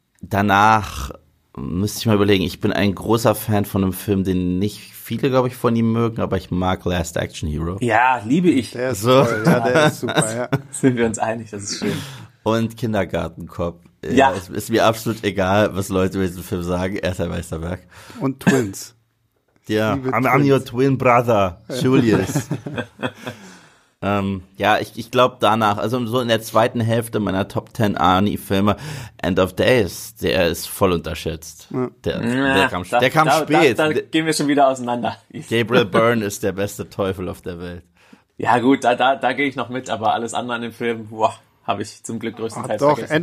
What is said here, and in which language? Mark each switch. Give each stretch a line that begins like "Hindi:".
German: danach müsste ich mal überlegen, ich bin ein großer Fan von einem Film, den nicht viele, glaube ich, von ihm mögen, aber ich mag Last Action Hero. Ja, liebe ich. Der ist so. Toll. Ja, der ist super, ja. Sind wir uns einig, das ist schön. Und Kindergartenkopf. Ja. Es ist mir absolut egal, was Leute über diesen Film sagen. Er ist ein Meisterwerk. Und Twins.
English: Ja, I'm your twin brother, Julius.
German: ich glaube danach, also so in der zweiten Hälfte meiner Top 10 Arnie-Filme, End of Days, der ist voll unterschätzt. Der kam spät. Da gehen wir schon wieder auseinander. Gabriel Byrne ist der beste Teufel auf der Welt. Ja gut, da gehe ich noch mit, aber alles andere an dem Film, habe ich zum Glück größtenteils vergessen.